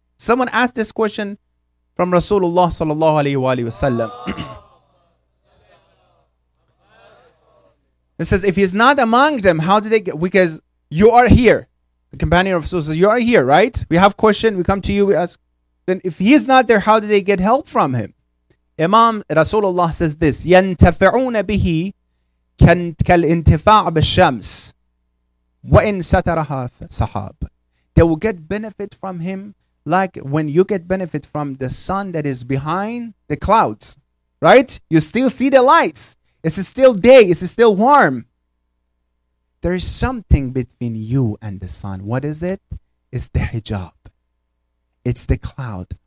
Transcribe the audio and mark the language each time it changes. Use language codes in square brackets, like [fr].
[en] Someone asked this question from Rasulullah sallallahu alayhi wa sallam. It says, if he's not among them, how do they get? Because you are here. The companion of Rasul says, you are here, right? We have question, we come to you, we ask. Then if he's not there, how do they get help from him? Imam Rasulullah says this, [ar] يَنْتَفِعُونَ بِهِ كَالْإِنْتِفَاعَ بِالشَّمْسِ وَإِنْ سَتَرَهَا صَحَابِ. [en] They will get benefit from him like when you get benefit from the sun that is behind the clouds, right? You still see the lights. It's still day. It's still warm. There is something between you and the sun. What is it? It's the hijab. It's the cloud.